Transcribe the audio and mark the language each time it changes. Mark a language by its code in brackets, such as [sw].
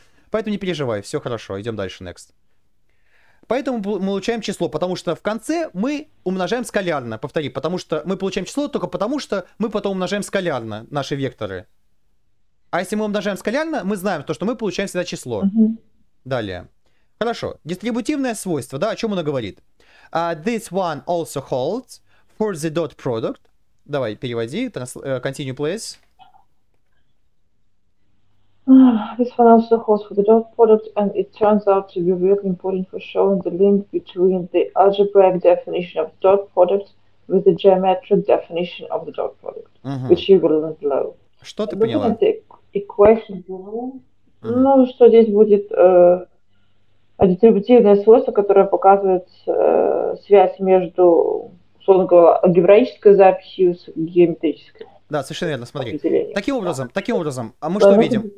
[ru] Поэтому не переживай, все хорошо, идем дальше, next. Поэтому мы получаем число, потому что в конце мы умножаем скалярно, повтори, потому что мы получаем число только потому, что мы потом умножаем скалярно наши векторы. А если мы умножаем скалярно, мы знаем то, что мы получаем всегда число. Далее. Хорошо. Дистрибутивное свойство, да, о чем оно говорит? [en] This one also holds for the dot product. [ru] Давай, переводи. [en] Continue, please. This one also holds for the dot product, and it turns out to be really important for showing the link between the algebraic definition of dot product with the geometric definition of the dot product, which you will learn below. [ru] Что ты поняла? [en] Equation below. [ru] Ну, что здесь будет дистрибутивное свойство, которое показывает связь между, условно говоря, алгебраической записью с геометрической. Да, совершенно верно, смотри. Таким образом, а мы что видим?